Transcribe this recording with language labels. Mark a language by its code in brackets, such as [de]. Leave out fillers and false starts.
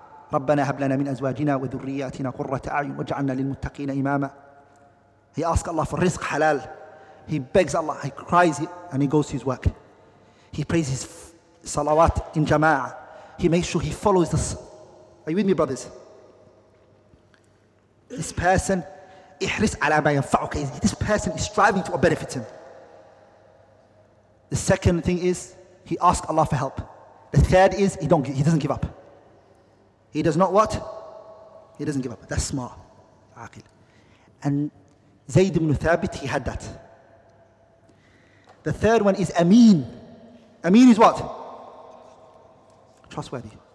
[ar] رَبَّنَا هَبْ لَنَا مِنْ أَزْوَاجِنَا وَذُرِّيَّاتِنَا قُرَّةَ أَعْيُنٍ وَاجْعَلْنَا لِلْمُتَّقِينَ إِمَامًا. [en] He asks Allah for rizq halal. He begs Allah. He cries and he goes to his work. He prays his salawat in jama'ah. He makes sure he follows this. Are you with me, brothers? This person, [ar] إِحْرِسْ عَلَى مَا يَنْفَعُكَ. [en] This person is striving to what benefits him. The second thing is, he asks Allah for help. The third is, he doesn't give up. He does not what? He doesn't give up. That's smart. Aqil. And Zayd ibn Thabit, he had that. The third one is Amin. Amin is what? Trustworthy.